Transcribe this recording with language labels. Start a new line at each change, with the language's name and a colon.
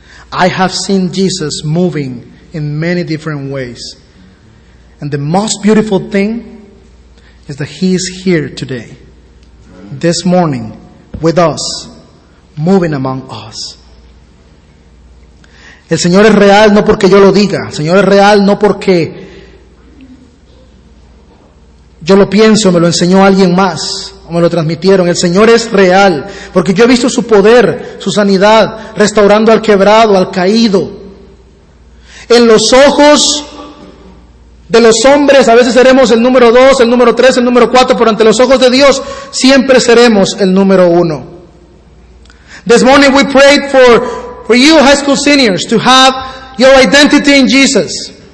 English: I have seen Jesus moving in many different ways. And the most beautiful thing is that He is here today, this morning, with us, moving among us.
Spanish: El Señor es real no porque yo lo diga. El Señor es real no porque yo lo pienso, me lo enseñó alguien más, o me lo transmitieron. El Señor es real porque yo he visto su poder, su sanidad, restaurando al quebrado, al caído. En los ojos de los hombres, a veces seremos el número 2, el número 3, el número 4, pero ante los ojos de Dios, siempre seremos el número 1.
English: This morning we prayed for you high school seniors to have your identity in Jesus.